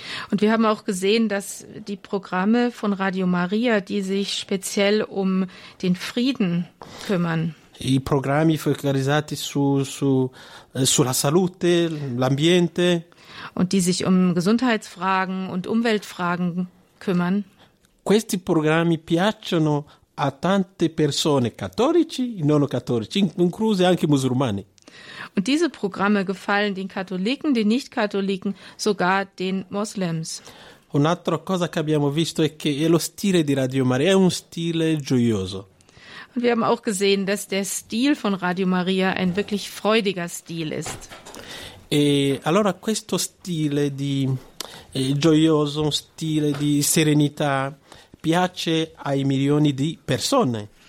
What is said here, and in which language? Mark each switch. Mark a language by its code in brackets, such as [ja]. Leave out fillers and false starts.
[de] Und wir haben auch gesehen, dass die Programme von Radio Maria, die sich speziell um den Frieden kümmern. [it] I programmi focalizzati sulla salute, l'ambiente. [de] Und die sich um Gesundheitsfragen und Umweltfragen kümmern. [it] Questi programmi piacciono a tante persone, cattolici, non cattolici, incluse anche musulmani. [de] Und diese Programme gefallen den Katholiken, den Nicht-Katholiken, sogar den Moslems. [it] Un'altra cosa che abbiamo visto è che è lo stile di Radio Maria, è un stile gioioso. [de] Und wir haben auch gesehen, dass der Stil von Radio Maria ein wirklich freudiger Stil ist. [it] E allora questo stile di gioioso, un stile di serenità, piace ai milioni di persone.